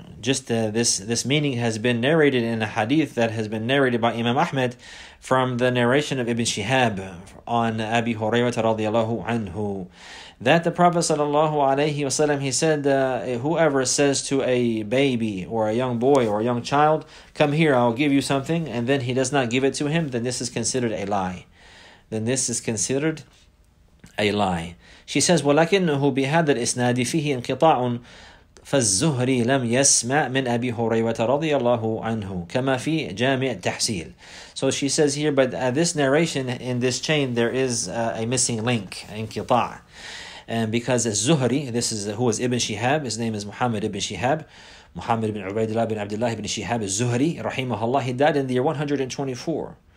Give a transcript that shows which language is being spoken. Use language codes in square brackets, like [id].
[en] Just this meaning has been narrated in a hadith that has been narrated by Imam Ahmed from the narration of Ibn Shihab on Abi Hurayrah radiallahu anhu, that the Prophet sallallahu alayhi wasallam, he said, whoever says to a baby or a young boy or a young child, come here, I'll give you something, and then he does not give it to him, then this is considered a lie. Then this is considered a lie. She says, [ar] وَلَكِنُّهُ بِهَذَا الْإِسْنَادِ فِيهِ انْقِطَاعٌ فالزهري لم يسمع من أبي هريرة رضي الله عنه كما في جامع التحصيل. [en] So she says here, but this narration in this chain, there is a missing link, انقطاع. And because الزهري, this is who is Ibn Shihab, his name is Muhammad Ibn Shihab, Muhammad ibn Ubaidullah ibn Abdullah ibn Shihab al-Zuhri, rahimahullah, he died in the year 124.